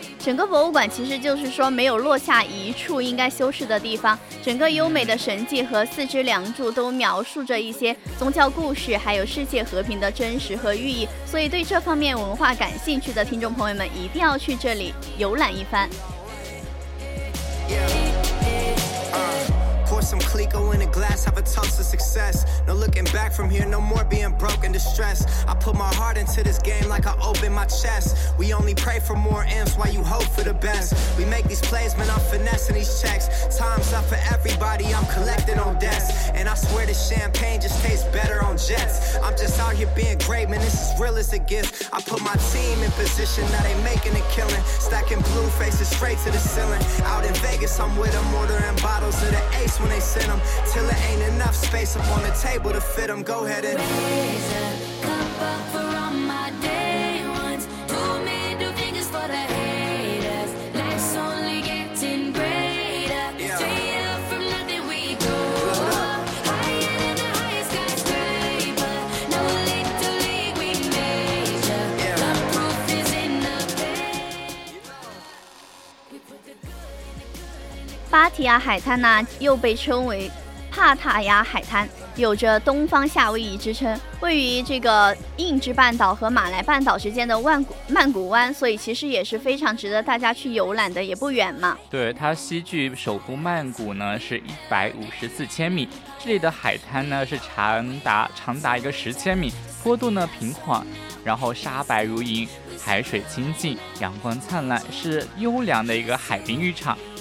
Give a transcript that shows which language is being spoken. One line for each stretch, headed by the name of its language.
Chinese: 整个博物馆其实就是说没有落下一处应该修饰的地方，整个优美的神迹和四只梁柱都描述着一些宗教故事还有世界和平的真实和寓意，所以对这方面文化感兴趣的听众朋友们一定要去这里游览一番。
English: Pour some Clico in a glass, have a toast to success. No looking back from here, no more being broke and distressed. I put my heart into this game like I open my chest. We only pray for more M's while you hope for the best. We make these plays, man, I'm finessing these checks. Time's up for everybody, I'm collecting on debts. And I swear the champagne just tastes better on jets. I'm just out here being great, man, this is real as a gift. I put my team in position, now they making a killing. Stacking blue faces straight to the ceiling. Out in Vegas, I'm with them, ordering bottles of the Ace. When they send them, till there ain't enough space up on the table to fit them, go ahead and raise a cup up for all my day ones, two middle fingers for the haters, life's only getting greater, straight up from nothing we go, higher than the highest skyscraper, no little league we major, the proof is in the bay, we put the good.
Chinese: 芭提雅海滩呢、又被称为帕塔雅海滩，有着东方夏威夷之称，位于这个印支半岛和马来半岛之间的曼谷湾，所以其实也是非常值得大家去游览的，也不远嘛。对，它西距首都曼谷呢是154千米，这里的海滩呢是长达一个10千米，坡度呢平缓，然后沙白如银，海水清净，阳光灿烂，是优良的一个海滨浴场。